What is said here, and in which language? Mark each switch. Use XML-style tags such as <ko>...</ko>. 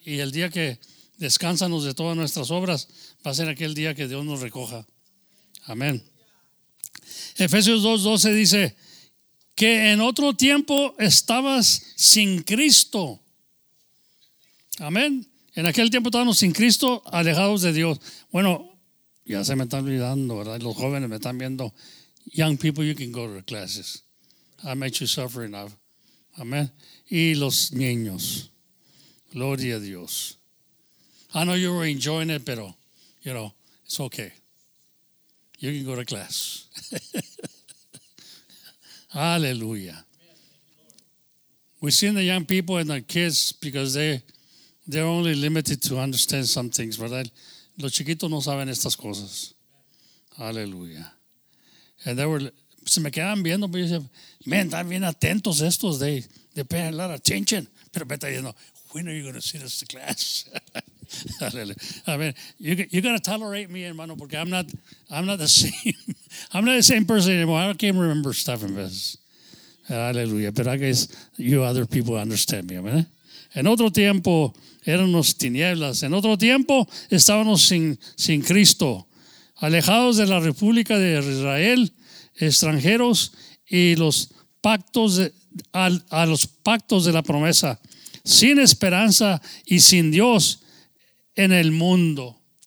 <es>Y el día que descansamos de todas nuestras obras, va a ser aquel día que Dios nos recoja. Amén. Efesios 2:12 dice, que en otro tiempo estabas sin Cristo. Amén. En aquel tiempo estábamos sin Cristo, alejados de Dios. Bueno, ya se me están olvidando, ¿verdad? Los jóvenes me están viendo.</es> <en>Young people, you can go to the classes. I made you suffer enough.</en> <es>Amén. Y los niños. Gloria a Dios.</es> <en>I know you were enjoying it,</en> <es>pero,</es> <en>you know, it's okay. You can go to class. Aleluya. We've seen the young people and the kids because they're only limited to understand some things, ¿verdad?</en> <es>Los chiquitos no saben estas cosas. Aleluya.</es> <en>And they</en> <es>se me quedaban viendo, pero yo decía,</es> <en>man,</en> <es>están bien atentos estos.</es> <en>They pay a lot of attention.</en> <es>Pero me está diciendo,</es> <en>when are you going to see this class? Aleluya. I mean, you got to tolerate me, hermano,</en> <es>porque</es> <en>I'm not the same person anymore. I can't even remember stuff in this. Aleluya. But I guess you other people understand me. Amen.</en> <es>En otro tiempo éramos tinieblas, en otro tiempo estábamos sin Cristo, alejados de la República de Israel, extranjeros y los pactos de la promesa, sin esperanza y sin Dios en el mundo.</es>